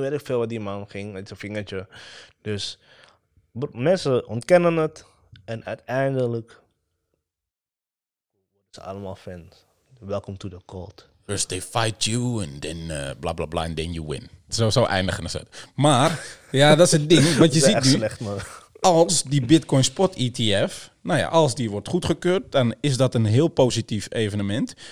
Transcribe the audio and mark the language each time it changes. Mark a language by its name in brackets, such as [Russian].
[Dutch] Weet ik veel wat die man ging met zijn vingertje. Dus mensen ontkennen het en uiteindelijk worden ze allemaal fans. [English] Welcome to the cult. First they fight you and then bla bla bla and then you win. [Dutch] Zo eindigen ze het. Maar ja, dat is het ding. Wat je ziet nu. Slecht, man. Als die Bitcoin Spot ETF, nou ja, als die wordt goedgekeurd, dan is dat een heel positief evenement.